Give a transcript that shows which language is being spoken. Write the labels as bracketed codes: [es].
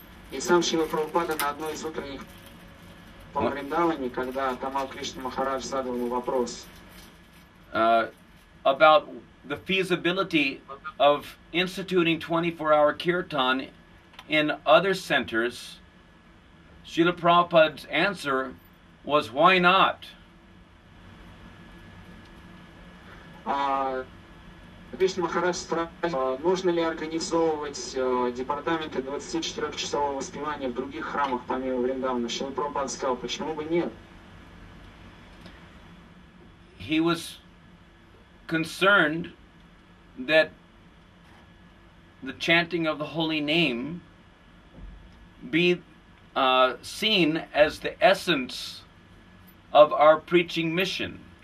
[ru] и сам Шрила Прабхупада на одной из утренних по Вриндаване, когда Тамал Кришна Махарадж задал ему вопрос, [en] about the feasibility of instituting 24-hour kirtan in other centers, Srila Prabhupada's answer was, why not? [ru] Кришна Махарадж спрашивает, нужно ли организовывать департаменты 24-часового воспевания в других храмах помимо Вриндавана. Шрила Прабхупада сказал, почему бы нет? [en] He was concerned that the chanting of the holy name be seen as the essence of our preaching mission.